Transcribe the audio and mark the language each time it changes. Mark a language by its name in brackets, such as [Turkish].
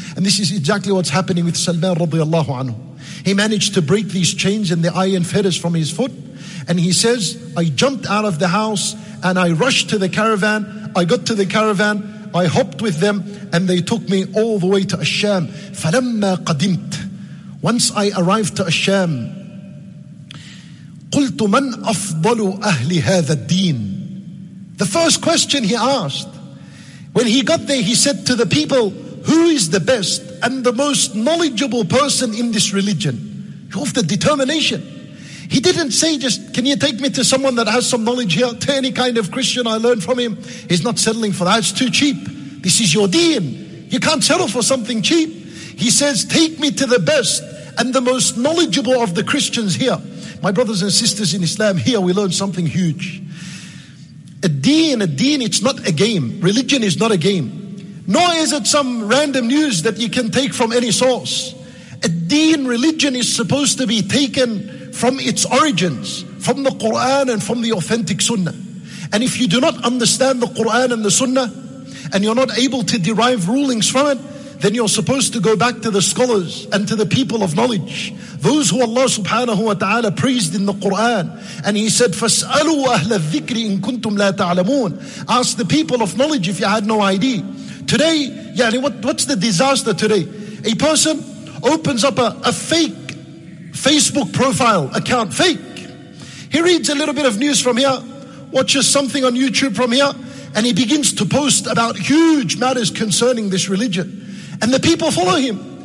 [English] And this is exactly what's happening with Salman radiallahu anhu. He managed to break these chains and the iron fetters from his foot. And he says, I jumped out of the house and I rushed to the caravan. I got to the caravan. I hopped with them and they took me all the way to Asham. [Arabic] فَلَمَّا قَدِمْتُ [English] Once I arrived to Asham, [Arabic] قلت من أفضل أهل هذا الدين. [English] The first question he asked when he got there, he said to the people, who is the best and the most knowledgeable person in this religion? Of the determination. He didn't say just, can you take me to someone that has some knowledge here, to any kind of Christian I learn from him. He's not settling for that. It's too cheap. This is your deen. You can't settle for something cheap. He says, take me to the best and the most knowledgeable of the Christians here. My brothers and sisters in Islam, here we learn something huge. A deen, it's not a game. Religion is not a game. Nor is it some random news that you can take from any source. A deen, religion, is supposed to be taken from its origins, from the Quran and from the authentic Sunnah. And if you do not understand the Quran and the Sunnah, and you're not able to derive rulings from it, then you're supposed to go back to the scholars and to the people of knowledge, those who Allah subhanahu wa ta'ala praised in the Quran. And he said, [Arabic] فَاسْأَلُوا أَهْلَ الذِّكْرِ إِن كُنْتُمْ لَا تَعْلَمُونَ. [English] Ask the people of knowledge if you had no idea. Today, yani what's the disaster today? A person opens up a fake Facebook profile account, fake. He reads a little bit of news from here, watches something on YouTube from here, and he begins to post about huge matters concerning this religion. And the people follow him.